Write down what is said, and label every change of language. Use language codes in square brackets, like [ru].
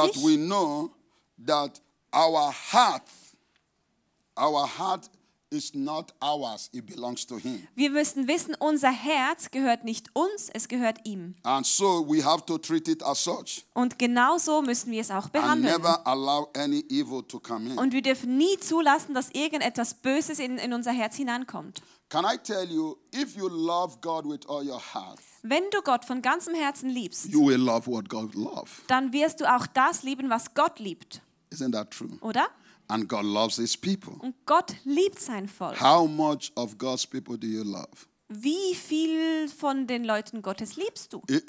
[en] That we know that our heart. Our heart is not ours, it belongs to him. [de] Wir müssen wissen, unser Herz gehört nicht uns, es gehört ihm. [en] And so we have to treat it as such. [de] Und genau so müssen wir es auch behandeln. [en] And never allow any evil to come in. [de] Und wir dürfen nie zulassen, dass irgendetwas Böses in unser Herz hineinkommt. [en] Can I tell you, if you love God with all your heart, [de] wenn du Gott von ganzem Herzen liebst, [en] you will love what God loves. [de] Dann wirst du auch das lieben, was Gott liebt. [en] Isn't that true? [de] Oder? [en] And God loves his people. [de] Und Gott liebt sein Volk. [en] How much of God's people do you love? [de] Wie viel von den Leuten Gottes liebst du?